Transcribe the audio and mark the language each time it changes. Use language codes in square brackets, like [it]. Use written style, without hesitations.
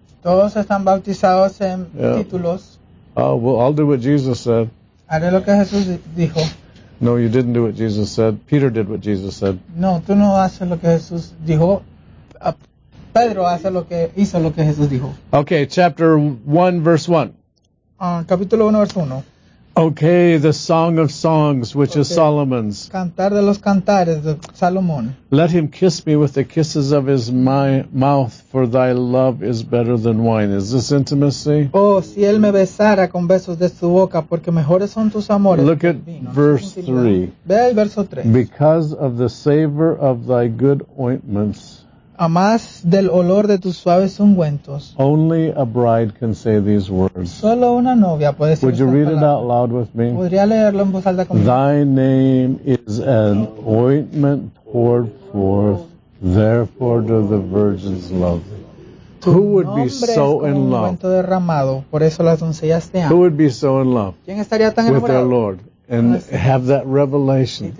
[es] Todos están bautizados en yeah. títulos. [en] Oh, well, I'll do what Jesus said. [es] Haré lo que Jesús dijo. [en] No, you didn't do what Jesus said. Peter did what Jesus said. [es] No, tú no haces lo que Jesús dijo. Pedro hace lo que hizo lo que Jesús dijo. [en] Okay, chapter 1, verse 1. [es] Capítulo 1, verse 1. [en] Okay, the Song of Songs, which okay. is Solomon's. [es] Cantar de los cantares de Salomón. [en] Let him kiss me with the kisses of his mouth, for thy love is better than wine. Is this intimacy? [es] Oh, si él me besara con besos de su boca, porque mejores son tus amores. [en] Look at verse 3. [es] Ve el verso 3. [en] Because of the savor of thy good ointments. [es] a más del olor de tus suaves ungüentos. [en] Only a bride can say these words. [es] Solo una novia puede decir [en] Would you read palabra. It out loud with me? [es] ¿Podría leerlo en voz alta conmigo? [en] Thy name is an ointment poured forth, therefore do the virgins love thee. Who would be so in love? Who would be so in love with their Lord and have that revelation?